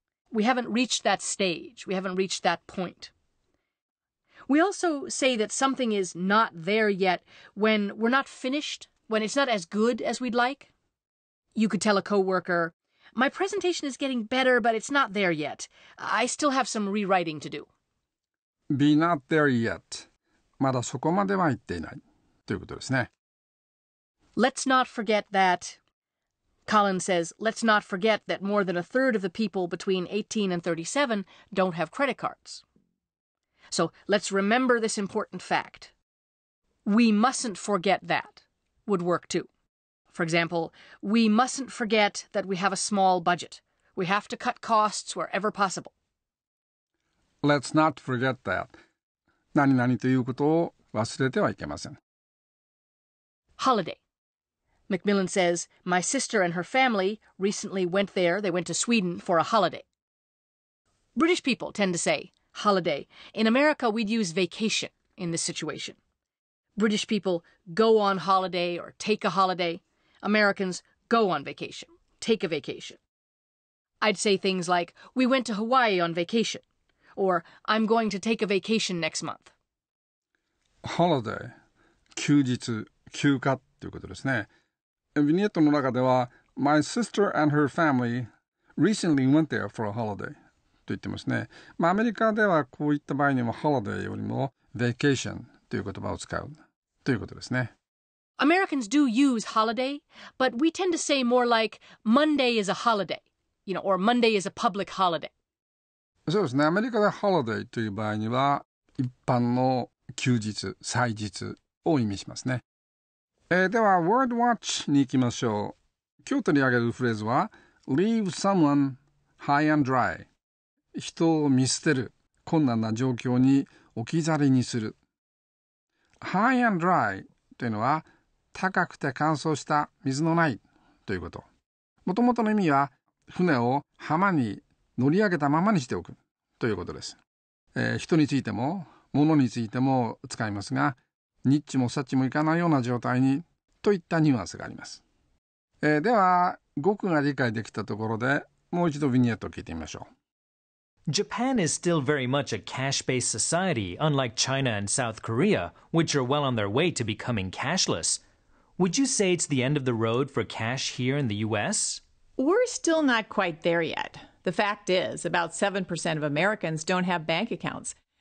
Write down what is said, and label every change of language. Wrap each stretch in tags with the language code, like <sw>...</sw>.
<en>We haven't reached that stage. We haven't reached that point. We also say that something is not there yet when we're not finished, when it's not as good as we'd like. You could tell a coworker, my presentation is getting better, but it's not there yet. I still have some rewriting to do. Be not there yet.</en> <ja>まだそこまでは行っていないということですね。</ja> <en>Let's not forget that... Colin says, let's not forget that more than a third of the people between 18 and 37 don't have credit cards. So, let's remember this important fact. We mustn't forget that would work too. For example, we mustn't forget that we have a small budget. We have to cut costs wherever possible. Let's not forget that.</en> <ja>何々ということを忘れてはいけません。</ja> <en>Holiday. Macmillan says, my sister and her family recently went there. They went to Sweden for a holiday. British people tend to say holiday. In America, we'd use vacation in this situation. British people go on holiday or take a holiday. Americans go on vacation, take a vacation. I'd say things like, we went to Hawaii on vacation. Or, I'm going to take a vacation next month. Holiday.</en> <ja>休日、休暇ということですね。ビニエットの中では、</ja> <en>My sister and her family recently went there for a holiday</en> <ja>と言ってますね。まあ、アメリカではこういった場合にも holiday よりも vacation という言葉を使うということですね。</ja> <en>Americans do use holiday, but we tend to say more like Monday is a holiday, you know, or Monday is a public holiday.</en> <ja>そうですね。アメリカで holiday という場合には一般の休日、祭日を意味しますね。では、Word Watch に行きましょう。今日取り上げるフレーズは、</ja> <en>Leave someone high and dry。</en> <ja>人を見捨てる、困難な状況に置き去りにする。 High and dry というのは、高くて乾燥した水のないということ。もともとの意味は、船を浜に乗り上げたままにしておくということです。人についても、物についても使いますが、ニッチもサッチもいかないような状態にといったニュアンスがあります。では語句が理解できたところでもう一度ビニエットを聞いてみましょう。</ja> <en>Japan is still very much a cash-based society unlike China and South Korea which are well on their way to becoming cashless. Would you say it's the end of the road for cash here in the US? We're still not quite there yet. The fact is about 7% of Americans don't have bank accounts.</en>